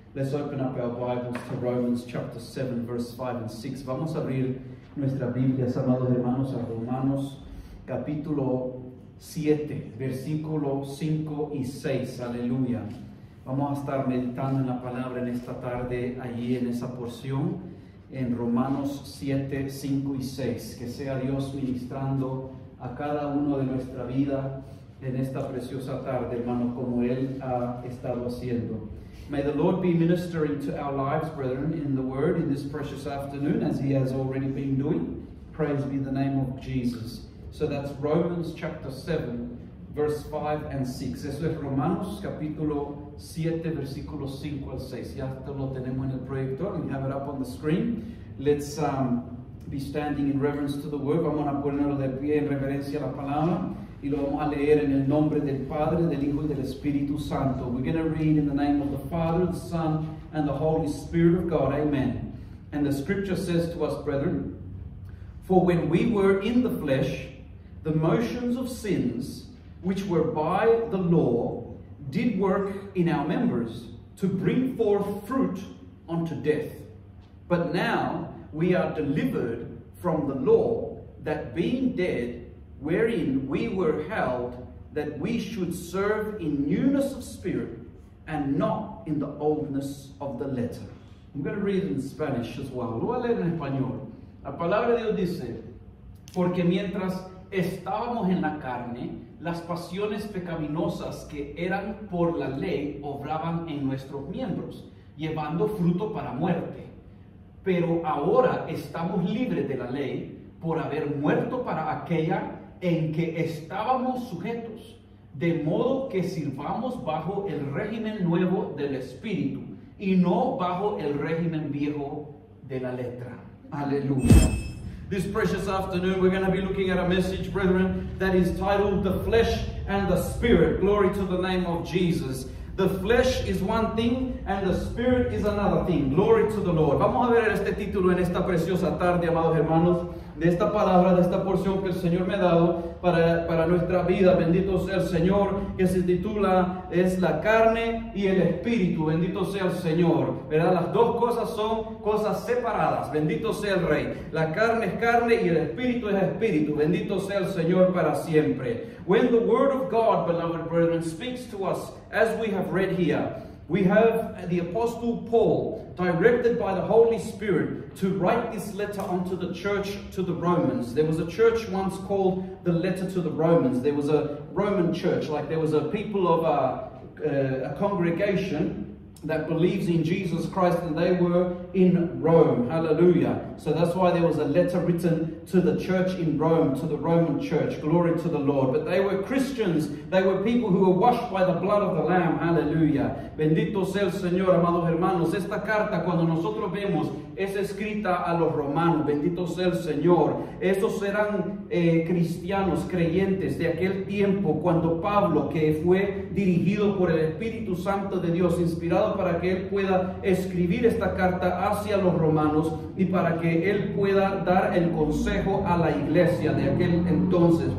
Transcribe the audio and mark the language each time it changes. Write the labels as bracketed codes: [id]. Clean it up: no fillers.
[en] Let's open up our Bibles to Romans chapter 7, verse 5 and 6. [es] Vamos a abrir nuestra Biblia, amados hermanos, a Romanos capítulo 7, versículo 5 y 6. Aleluya. Vamos a estar meditando en la palabra en esta tarde, allí en esa porción, en Romanos 7, 5 y 6. Que sea Dios ministrando a cada uno de nuestra vida en esta preciosa tarde, hermano, como Él ha estado haciendo. [en] May the Lord be ministering to our lives, brethren, in the Word, in this precious afternoon, as He has already been doing. Praise be the name of Jesus. So that's Romans chapter 7, verse 5 and 6. [es] Eso es Romanos capítulo 7, versículo 5 al 6. Ya lo tenemos en el proyector. [en] We have it up on the screen. Let's be standing in reverence to the Word. [es] Vamos a ponerlo de pie en reverencia a la Palabra. Y lo vamos a leer en el nombre del Padre, del Hijo y del Espíritu Santo. [en] We're going to read in the name of the Father, the Son, and the Holy Spirit of God. Amen. And the Scripture says to us, brethren, for when we were in the flesh, the motions of sins, which were by the law, did work in our members to bring forth fruit unto death. But now we are delivered from the law, that being dead, wherein we were held, that we should serve in newness of spirit and not in the oldness of the letter. I'm going to read in Spanish as well. [es] Lo voy a leer en español. La palabra de Dios dice, porque mientras estábamos en la carne, las pasiones pecaminosas que eran por la ley obraban en nuestros miembros, llevando fruto para muerte. Pero ahora estamos libres de la ley por haber muerto para aquella en que estábamos sujetos, de modo que sirvamos bajo el régimen nuevo del Espíritu y no bajo el régimen viejo de la letra. Aleluya. [en] This precious afternoon we're going to be looking at a message, brethren, that is titled The Flesh and the Spirit. Glory to the name of Jesus. The flesh is one thing and the spirit is another thing. Glory to the Lord. [es] Vamos a ver este título en esta preciosa tarde, amados hermanos, de esta palabra, de esta porción que el Señor me ha dado para nuestra vida. Bendito sea el Señor, que se titula, es la carne y el espíritu. Bendito sea el Señor, ¿verdad? Las dos cosas son cosas separadas. Bendito sea el Rey. La carne es carne y el espíritu es espíritu. Bendito sea el Señor para siempre. [en] When the word of God, beloved brethren, speaks to us, as we have read here, we have the Apostle Paul, directed by the Holy Spirit, to write this letter unto the church, to the Romans. There was a church once called the letter to the Romans. There was a Roman church, like there was a people of a congregation that believes in Jesus Christ, and they were in Rome. Hallelujah. So that's why there was a letter written to the church in Rome, to the Roman church. Glory to the Lord. But they were Christians. They were people who were washed by the blood of the Lamb. [es] Hallelujah. Bendito sea el Señor, amados hermanos. Esta carta, cuando nosotros vemos, es escrita a los romanos. Bendito sea el Señor. Esos eran cristianos, creyentes de aquel tiempo, cuando Pablo, que fue dirigido por el Espíritu Santo de Dios, inspirado para que él pueda escribir esta carta hacia los romanos y para que él pueda dar el consejo a la iglesia de aquel entonces.